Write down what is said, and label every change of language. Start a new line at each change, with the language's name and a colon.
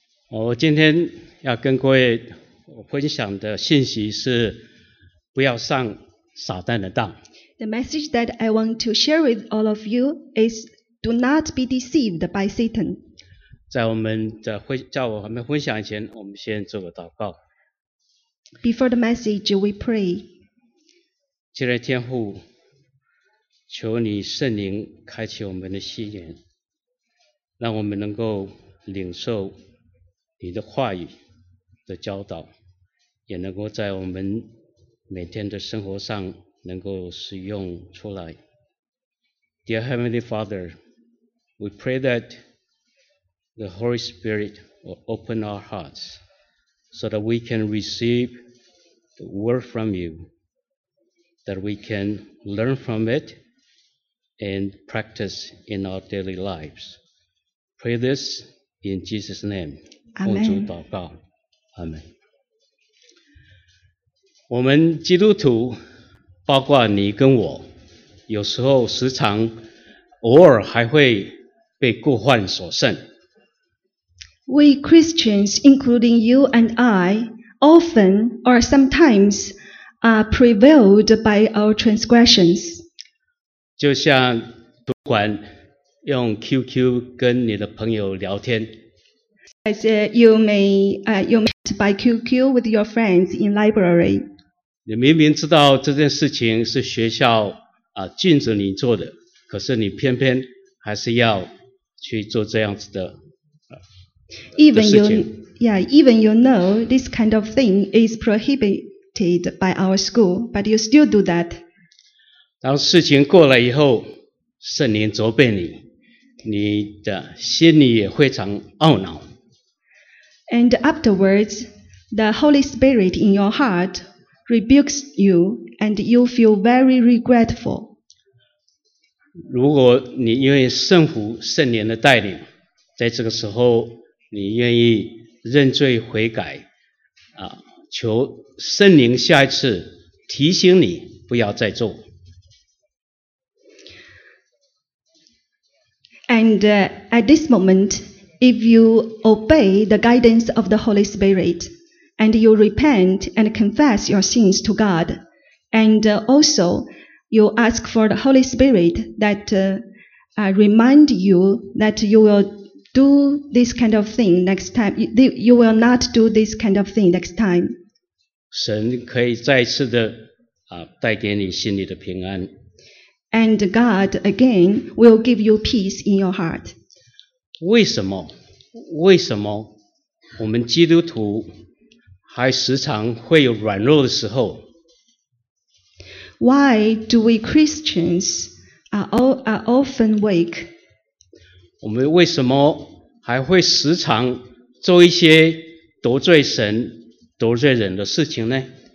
Chinese: 我今天要跟各位分享的信息是不要上撒旦的当。
English: The message that I want to share with all of you is do not be deceived by Satan.
Chinese: 在我们分享以前，我们先做个祷告。
English: Before the message, we pray.
Chinese: 亲爱的天父，求你圣灵开启我们的心眼，让我们能够领受你的话语的教导，也能够在我们每天的生活上能够使用出来。
English: Dear Heavenly Father, we pray that the Holy Spirit will open our hearts so that we can receive the word from you, that we can learn from it and practice in our daily lives. Pray this in Jesus' name.
Chinese: 奉主祷告，阿门。我们基督徒，包括你跟我，有时候时常偶尔还会被过患所胜。
English: We Christians, including you and I, often or sometimes are prevailed by our transgressions.
Chinese: 就像不管用 QQ 跟你的朋友聊天，
English: As you may chat by QQ with your friends in library.
Chinese: 你明明知道这件事情是学校禁止你做的，可是你偏偏还是要去做这样子的
English: Even you know this kind of thing is prohibited by our school, but you still do that.
Chinese: 当事情过了以后，圣灵责备你，你的心里也非常懊恼。
English: And afterwards, the Holy Spirit in your heart rebukes you, and you feel very regretful.
Chinese: 如果你愿意顺服圣灵的带领，在这个时候，你愿意认罪悔改，求圣灵下一次提醒你不要再做。
English: And at this moment,If you obey the guidance of the Holy Spirit, and you repent and confess your sins to God, and also you ask for the Holy Spirit that remind you that you will do this kind of thing next time, you will not do this kind of thing next time.
Chinese: 神可以再次的带给你心里的平安。
English: And God again will give you peace in your heart.
Chinese: 为什么我们基督徒还时常会有软弱的时候
English: ？Why do we Christians are often weak？
Chinese: 我们为什么还会时常做一些得罪神、得罪人的事情呢